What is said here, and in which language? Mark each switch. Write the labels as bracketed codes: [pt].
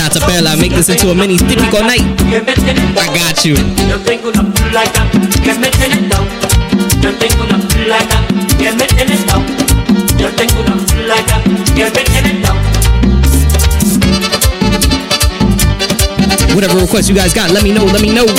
[en] Shout out to Bella, make this into a mini typical night. I got you. [es] Yo tengo una placa que me tiene down. Yo tengo una placa que me tiene down. Yo tengo una placa que me tiene down. [en] Whatever request you guys got, let me know, let me know.